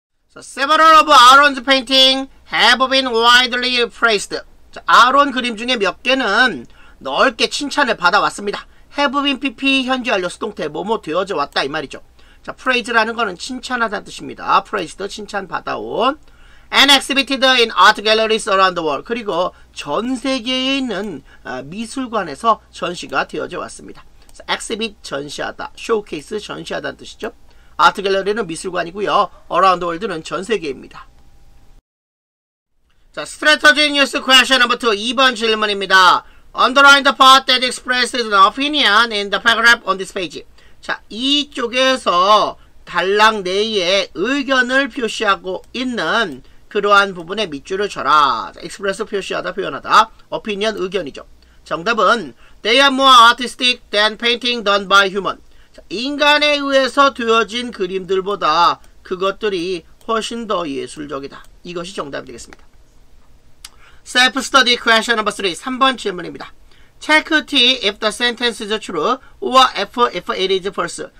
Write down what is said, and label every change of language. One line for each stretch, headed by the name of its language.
English: So, several of Aaron's painting have been widely praised.
Korean: 자, 아론 그림 중에 몇 개는 넓게 칭찬을 받아왔습니다. have been pp 현재 완료 수동태 뭐뭐 되어져 왔다 이 말이죠. 자, praise라는 거는 칭찬하다는 뜻입니다. praise도 칭찬받아온.
English: And exhibited in art galleries around the world.
Korean: 그리고 전 세계에 있는 미술관에서 전시가 되어져 왔습니다. So, exhibit 전시하다, showcase 전시하다는 뜻이죠. art gallery는 미술관이고요. around the world는 전 세계입니다.
English: 자, strategy news question number 2.
Korean: 2번 질문입니다.
English: Underline the part that expresses an opinion in the paragraph on this page.
Korean: 자, 이쪽에서 단락 내에 의견을 표시하고 있는 그러한 부분에 밑줄을 쳐라. 자, express 표시하다, 표현하다. opinion, 의견이죠. 정답은
English: they are more artistic than painting done by human.
Korean: 자, 인간에 의해서 되어진 그림들보다 그것들이 훨씬 더 예술적이다. 이것이 정답이 되겠습니다.
English: self-study question number 3,
Korean: 3번 질문입니다.
English: Check T if the sentence is true or F if it is false.